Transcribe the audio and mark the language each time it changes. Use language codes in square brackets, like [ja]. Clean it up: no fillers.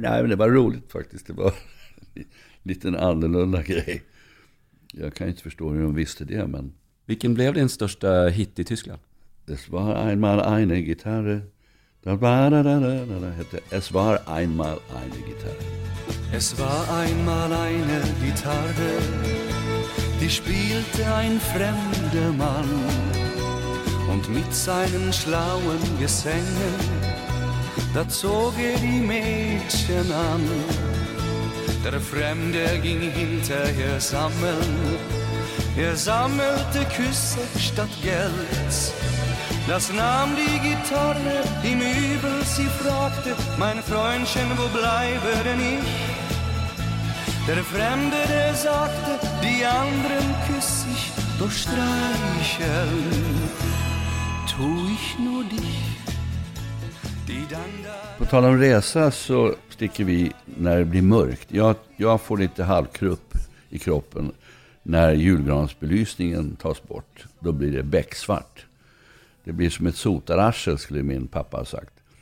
[sv] Nej, men det var roligt faktiskt. Det var en liten annorlunda grej. Jag kan inte förstå hur de visste det, men. Vilken blev din största hit i Tyskland? [de] Es war einmal eine Gitarre. Es war einmal eine Gitarre. Es war einmal eine Gitarre, die spielte ein fremder Mann. Und mit seinen schlauen Gesängen, da zog er die Mädchen an. Der Fremde ging hinterher sammeln, er sammelte Küsse statt Geld. Das nahm die Gitarre im Übel, sie fragte, mein Freundchen, wo bleibe denn ich? Der Fremde, der sagte, die anderen küss ich, doch streichel, tu ich nur dich. [sv] På tal om resa så sticker vi när det blir mörkt. Jag får lite halvkrupp i kroppen när julgransbelysningen tas bort. Då blir det becksvart. Det blir som ett sotararsel, skulle min pappa ha sagt.